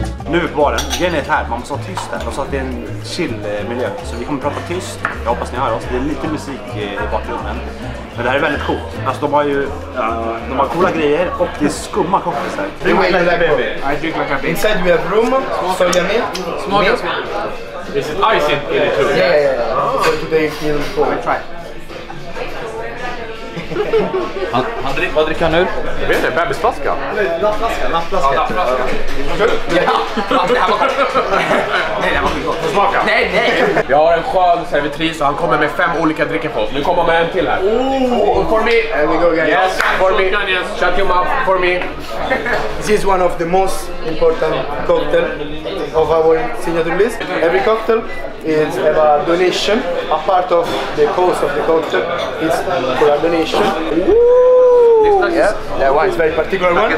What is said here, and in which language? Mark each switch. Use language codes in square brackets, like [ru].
[sv] Nu är vi på baren. Grejen är här, man måste vara tyst här. De sa att det är en chill miljö, så vi kommer att prata tyst. Jag hoppas ni hör oss, det är lite musik i bakgrunden. Men det här är väldigt coolt. Alltså de har ju de har coola grejer och det är skumma kompisar. [en] Drink like a baby. I drink like a baby. Inside we have room, soja milk. [sv] Smaka. [en] Milk. Is it ice in the tour? Yeah. Oh. So today you feel cold. I try. [sv] Vad dricker han nu? Jag vet inte, bebisflaska? Nattflaska. Kul! Ja! Nej, det här var skit. Nej, nej! Vi har en skön servitris och han kommer med fem olika drickor på oss. Nu kommer med en till här. Ooh. [en] For me! And we go again. Yes, for me. Shut your mouth, for me. This is one of the most important cocktail of our signature list. Every cocktail is a donation. A part of the cost of the cocktail is for a donation. Ooh. Yeah, that one is very particular one.